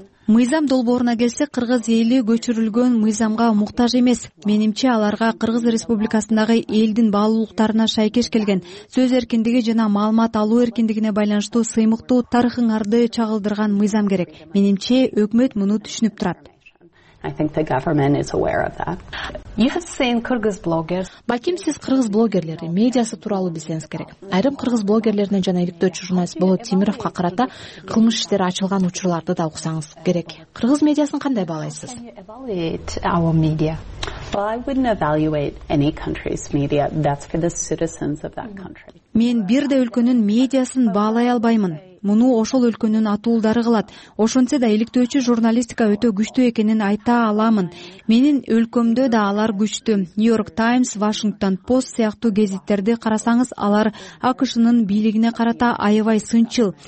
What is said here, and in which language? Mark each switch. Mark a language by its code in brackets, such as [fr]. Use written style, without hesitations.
[ky] Мыйзам долбооруна келсек, кыргыз эли көчүрүлгөн мыйзамга муктаж эмес. Менимче аларга Кыргыз Республикасындагы элдин баалуулуктарына шайкеш келген сөз эркиндиги жана маалымат алуу эркиндигине байланыштуу сыймыктуу тарыхыңарды чагылдырган мыйзам керек. Менимче өкмөт муну түшүнүп турат. [en] I think the government is aware of that. You have seen Kyrgyz bloggers. [ky] Балким сиз кыргыз блогерлери медиасы тууралуу билсеңиз керек. Айрым кыргыз блогерлеринен жана иликтөөчү журналист Болот Темировго карата кылмыш иштери ачылган учурларды да уксаңыз керек. Кыргыз медиасын кандай баалайсыз? [en] Our media. Well, I wouldn't evaluate any country's media. That's for the citizens of that country. [ky] Мен бир да өлкөнүн медиасын баалай албаймын. Муну ошол өлкөнүн атуулдары кылат. Ошентсе да иликтөөчү журналистика өтө күчтүү экенин айта аламын. Менин өлкөмдө да алар күчтүү. New York Times, Washington Post сыяктуу гезиттерди карасаңыз, алар АКШнын бийлигине карата аябай сынчыл.